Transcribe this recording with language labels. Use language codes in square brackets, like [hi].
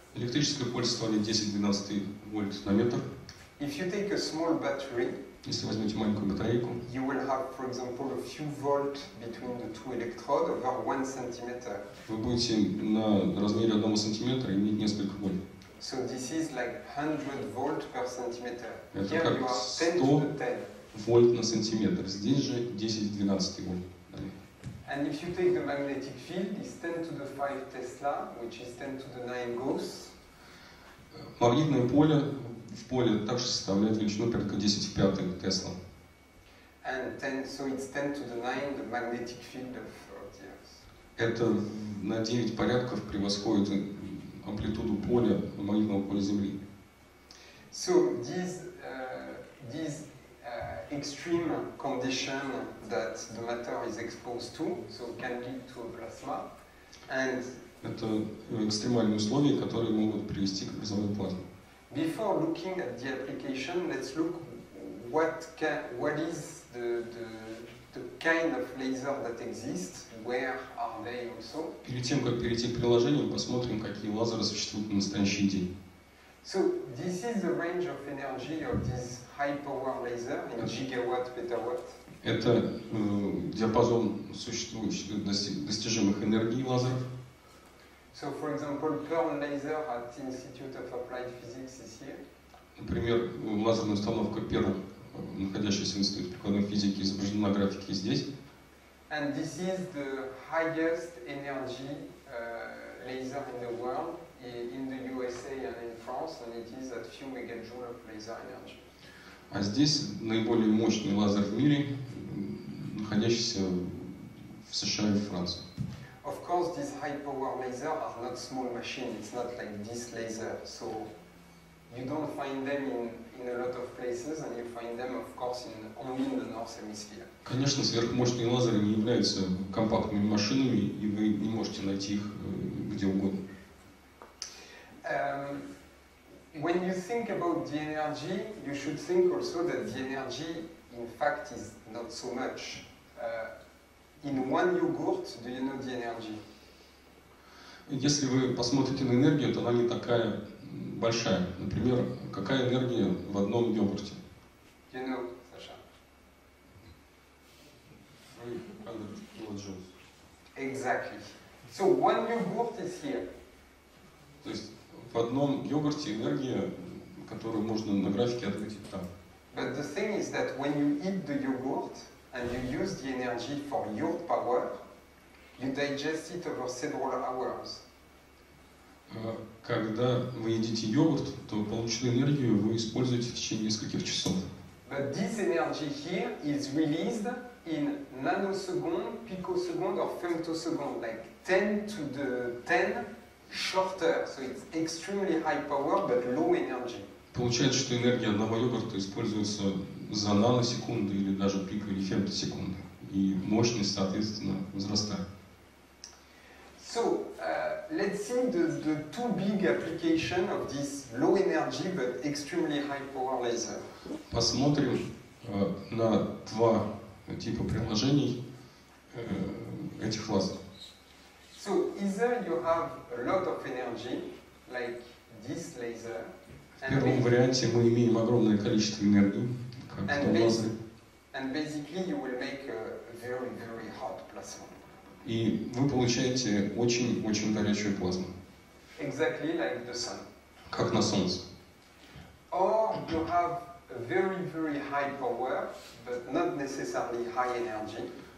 [ru] Электрическое поле составляет 10-12 вольт на метр. [en] If you take a small battery, [ru] если возьмете маленькую батарейку, [en] you will have, for example, a few volt between the two electrodes over 1 centimeter. [ru] Вы будете на размере 1 сантиметра иметь несколько вольт. [en] So this is like 100 volt per centimeter. [ru] Это [en] here you are 10 to the 10. [ru] Вольт на сантиметр. Здесь же 10-12 вольт. [en] And if you take the magnetic field, it's 10 to the 5 tesla, which is 10 to the 9 gauss. [ru] Магнитное поле в поле также составляет величину порядка 10^5 тесла. [en] And 10, so it's 10 to the 9 the magnetic field of the earth. [ru] Это на 9 порядков превосходит амплитуду поля, магнитного поля Земли. [en] So these extreme condition that the matter is exposed to, so can lead to a plasma. And [ru] это экстремальные условия, которые могут привести к образованию плазмы. [en] Before looking at the application, let's look what is the kind of laser that exists, where are they also? [ru] Перед тем, как перейти к приложению, посмотрим, какие лазеры существуют на настоящий день. [en] So, this is the range of energy of this high-power laser in gigawatt, petawatt. [ru] Это диапазон существующих достижимых энергий лазеров. [en] So, for example, Pearl laser at the Institute of Applied Physics is here. [ru] Например, лазерная установка Pearl, находящийся в Институте прикладной физики, изображена на графике здесь. [en] And this is the highest energy laser in the world, in the USA and in France, and it is at few megajoules of laser energy. [ru] А здесь наиболее мощный лазер в мире, находящийся в США и Франции. [en] Of course, these high-power lasers are not small machines, it's not like this laser, so you don't find them in a lot of places, and you find them, of course, only in the North Hemisphere. [ru] Конечно, сверхмощные лазеры не являются компактными машинами, и вы не можете найти их где угодно. [en] When you think about the energy, you should think also that the energy, in fact, is not so much. In one yogurt, do you know the energy? [ru] Если вы посмотрите на энергию, то она не такая большая. Например, какая энергия в одном йогурте? [en] Do you know, Саша? [ru] 300 килоджоулс. [en] Exactly. So one yogurt is here. [ru] То есть в одном йогурте энергия, которую можно на графике отметить там. [en] But the thing is that when you eat the yogurt and you use the energy for your power, you digest it over several hours. [ru] Когда вы едите йогурт, то полученную энергию вы используете в течение нескольких часов. [en] But this energy here is released in nanosecond, picosecond or femtosecond, like 10 to the 10 shorter. So it's extremely high power but low energy. [ru] Получается, что энергия одного йогурта используется за наносекунды или даже пико или фемтосекунды. И мощность, соответственно, возрастает. [en] So, let's see the two big application of this low energy but extremely high power laser. [ru] Посмотрим на два типа приложений этих лазеров. [en] So, either you have a lot of energy, like this laser. [ru] В первом варианте мы имеем огромное количество энергии, как в том лазере. [en] And basically you will make a very, very hot plasma. [ru] И вы получаете очень-очень горячую плазму. [en] Exactly like the sun. [ru] Как на солнце. [en] Or you have very, very high power, but not necessarily high energy.